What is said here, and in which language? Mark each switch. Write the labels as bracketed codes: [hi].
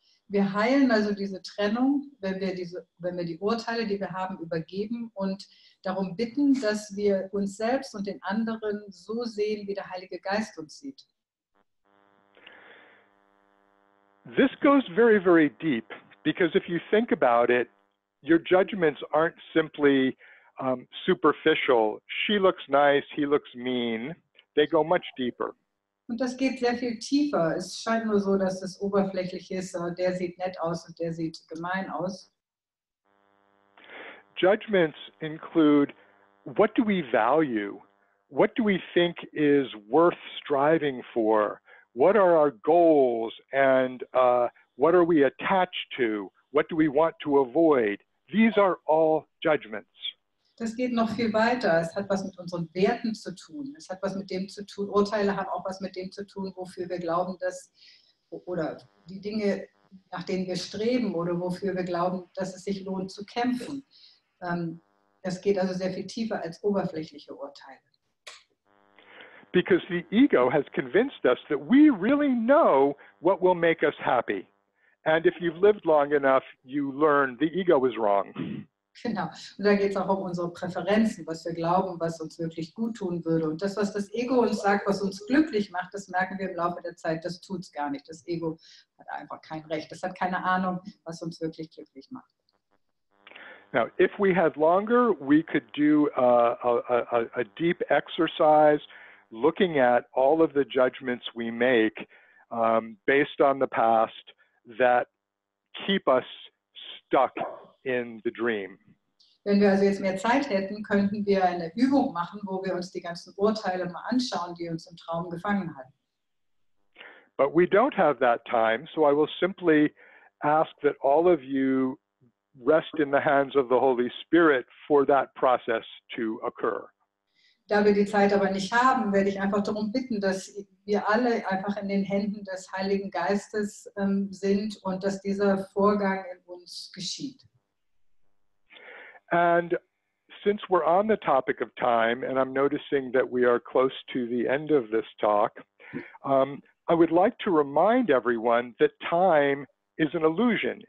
[de] Wir heilen also diese Trennung, wenn wir die Urteile, die wir haben, übergeben und darum bitten, dass wir uns selbst und den anderen so sehen, wie der Heilige Geist uns sieht. [en] This goes very, very deep, because if you think about it, your judgments aren't simply superficial. She looks nice, he looks mean. They go much deeper. [de] Und das geht sehr viel tiefer. Es scheint nur so, dass es oberflächlich ist. Der sieht nett aus und der sieht gemein aus. [en] Judgments include, what do we value? What do we think is worth striving for? What are our goals and what are we attached to? What do we want to avoid? These are all judgments. [de] Das geht noch viel weiter. Es hat was mit unseren Werten zu tun. Es hat was mit dem zu tun. Urteile haben auch was mit dem zu tun, wofür wir glauben, dass, oder die Dinge, nach denen wir streben, oder wofür wir glauben, dass es sich lohnt zu kämpfen. Es geht also sehr viel tiefer als oberflächliche Urteile. [en] Because the ego has convinced us that we really know what will make us happy. And if you've lived long enough, you learn the ego is wrong. [de] Genau. Und da geht es auch um unsere Präferenzen, was wir glauben, was uns wirklich gut tun würde. Und das, was das Ego uns sagt, was uns glücklich macht, das merken wir im Laufe der Zeit, das tut es gar nicht. Das Ego hat einfach kein Recht. Das hat keine Ahnung, was uns wirklich glücklich macht. [en] Now, if we had longer, we could do a deep exercise looking at all of the judgments we make based on the past that keep us stuck in the dream. [de] Wenn wir also jetzt mehr Zeit hätten, könnten wir eine Übung machen, wo wir uns die ganzen Urteile mal anschauen, die uns im Traum gefangen halten. [en] But we don't have that time, so I will simply ask that all of you rest in the hands of the Holy Spirit for that process to occur. [de] Da wir die Zeit aber nicht haben, werde ich einfach darum bitten, dass wir alle einfach in den Händen des Heiligen Geistes sind und dass dieser Vorgang in uns geschieht. [en] And since we're on the topic of time, and I'm noticing that we are close to the end of this talk, I would like to remind everyone that time is an illusion.